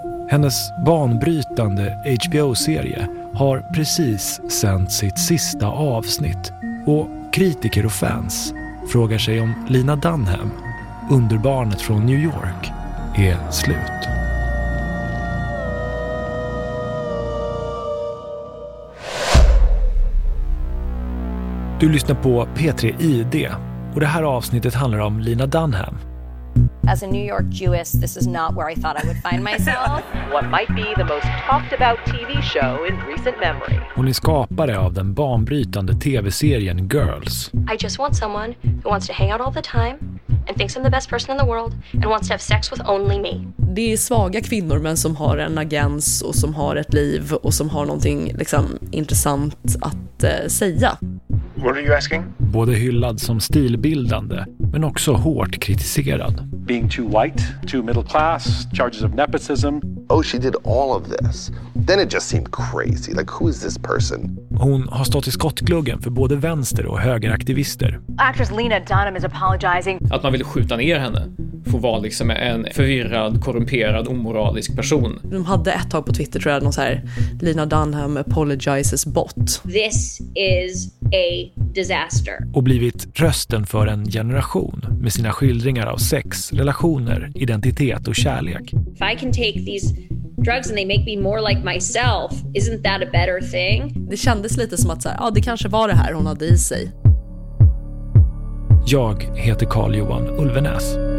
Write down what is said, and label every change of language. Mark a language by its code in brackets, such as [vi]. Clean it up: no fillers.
[sv] Hennes banbrytande HBO-serie har precis sänt sitt sista avsnitt och kritiker och fans frågar sig om Lina Dunham, underbarnet från New York, är slut. Du lyssnar på P3 ID och det här avsnittet handlar om Lina Dunham. [en] As a New York Jewess, this is not where I thought I would find myself. What might be the most talked about TV show in recent memory. [sv] Hon är skapare av den banbrytande TV-serien Girls. [en] I just want someone who wants to hang out all the time and thinks I'm the best person in the world and wants to have sex with only me. [sv] Det är svaga kvinnor men som har en agens och som har ett liv och som har någonting liksom intressant att säga. [en] What are you asking? [sv] Både hyllad som stilbildande men också hårt kritiserad. [en] Being too white, too middle class, charges of nepotism. Oh, she did all of this. Then it just seemed crazy. Like, who is this person? [sv] Hon har stått i skottgluggen för både vänster- och högeraktivister. [en] Actress Lena Dunham is apologizing. [sv] Att man ville skjuta ner henne. Får vara liksom en förvirrad, korrumperad, omoralisk person. De hade ett tag på Twitter, tror jag, någon så här Lina Dunham apologizes bot. [en] This is a disaster. [sv] Och blivit rösten för en generation med sina skildringar av sex, relationer, identitet och kärlek. [en] If I can take these drugs and they make me more like myself, isn't that a better thing? [sv] Det kändes lite som att så här, ja, det kanske var det här hon hade i sig. Jag heter Carl Johan Ulvenäs.